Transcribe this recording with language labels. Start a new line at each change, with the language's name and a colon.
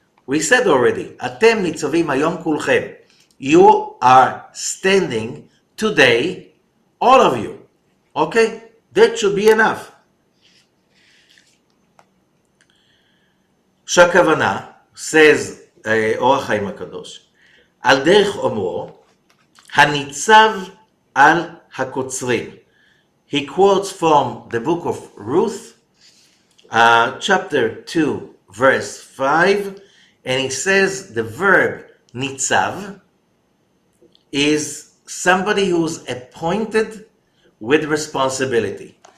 English: We said already,
Hebrew: אתם ניצבים היום כולכם.
English: You are standing today, all of you. Okay? That should be enough.
Hebrew: שהכוונה,
English: says
Hebrew: אור החיים הקדוש, על דרך אומרו, הניצב על הקוצרים.
English: He quotes from the book of Ruth, chapter 2, verse 5, and he says the verb nitzav is somebody who's appointed with responsibility.